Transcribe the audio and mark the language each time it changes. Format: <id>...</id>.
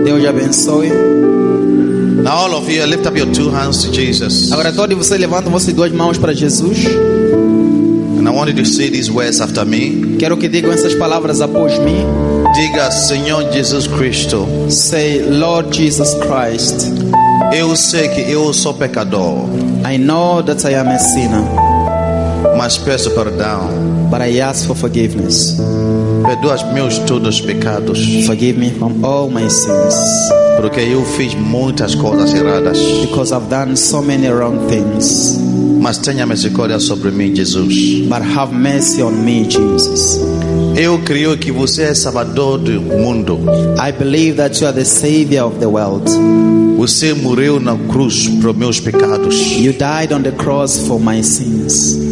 <en>Now all of you, lift up your two hands to Jesus.</en> <pt>Agora todos vocês levantam suas duas mãos para Jesus.</pt> <en>And I wanted to say these words after me.</en> <pt>Quero que digam essas palavras após mim. Diga, Senhor Jesus Cristo.</pt> <en>Say, Lord Jesus Christ.</en> <pt>Eu sei que eu sou pecador.</pt> <en>I know that I am a sinner.</en> <pt>Mas peço perdão.</pt> <en>But I ask for forgiveness.</en> <pt>Perdoa os meus todos os pecados.</pt> <en>Forgive me from all my sins.</en> <pt>Porque eu fiz muitas coisas erradas.</pt> <en>Because I've done so many wrong things.</en> <pt>Mas tenha misericórdia sobre mim, Jesus.</pt> <en>But have mercy on me, Jesus.</en> <pt>Eu creio que você é Salvador do mundo.</pt> <en>I believe that you are the Savior of the world.</en> <pt>Você morreu na cruz por meus pecados.</pt> <en>You died on the cross for my sins.</en>